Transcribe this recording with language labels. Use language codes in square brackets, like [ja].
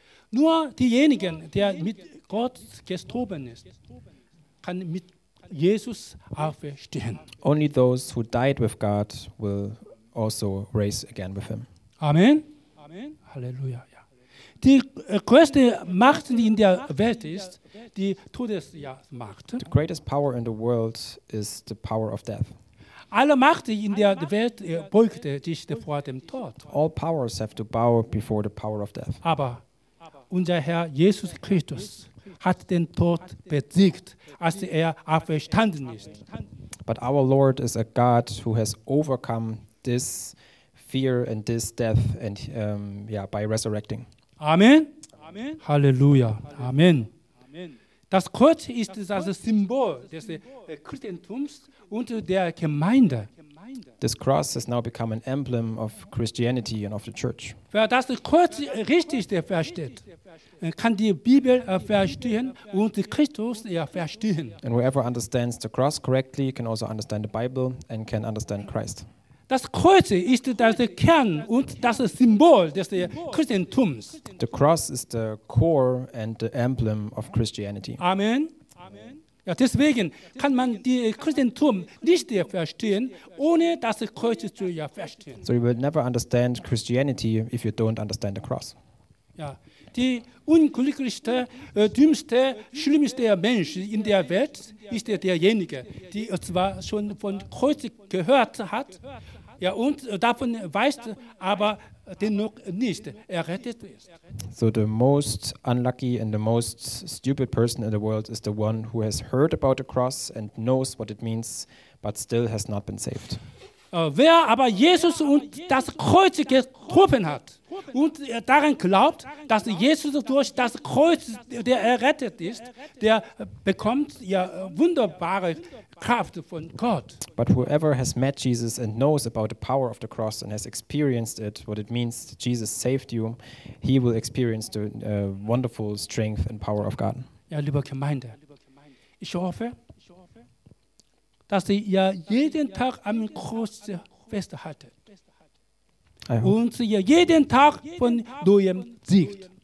[de] Nur diejenigen, der mit Gott gestorben ist, kann mit Jesus auferstehen. [en] Only those who died with God will also raise again with him. Amen. Amen. Halleluja. [de] Die größte Macht in der Welt ist die Todesmacht. [en] The greatest power in the world is the power of death. [de] Alle Macht in der Welt beugt sich vor dem Tod. [en] All powers have to bow before the power of death. [de] Aber unser Herr Jesus Christus hat den Tod besiegt, als er auferstanden ist. [en] But our Lord is a God who has overcome this fear and this death and by resurrecting. Amen. Amen. Halleluja. Amen. Amen. [de] Das Kreuz ist das Symbol des Christentums und der Gemeinde. [en] This cross has now become an emblem of Christianity and of the church. [de] Wer das Kreuz richtig versteht, kann die Bibel verstehen und Christus verstehen. [en] And whoever understands the cross correctly can also understand the Bible and can understand Christ. [de] Das Kreuz ist das Kern und das Symbol des Christentums. [en] The cross is the core and the emblem of Christianity. Amen. [de] Ja, deswegen kann man die Christentum nicht verstehen, ohne das Kreuz zu verstehen. [en] So you will never understand Christianity if you don't understand the cross. [de] Ja, die unglücklichste, dümmste, schlimmste Mensch in der Welt ist derjenige, der zwar schon von Kreuz gehört hat, ja, und davon weiß, aber dennoch nicht errettet ist. [en] So the most unlucky and the most stupid person in the world is the one who has heard about the cross and knows what it means, but still has not been saved. [de] Wer aber Jesus und das Kreuz getroffen hat und daran glaubt, dass Jesus durch das Kreuz, der errettet ist, der bekommt ja wunderbare Kraft von Gott. [en] But whoever has met Jesus and knows about the power of the cross and has experienced it, what it means that Jesus saved you, he will experience the wonderful strength and power of God. [de] Ja, liebe Gemeinde, ich hoffe, dass ihr jeden Tag am Kreuz festhaltet und ihr jeden Tag von neuem siegt.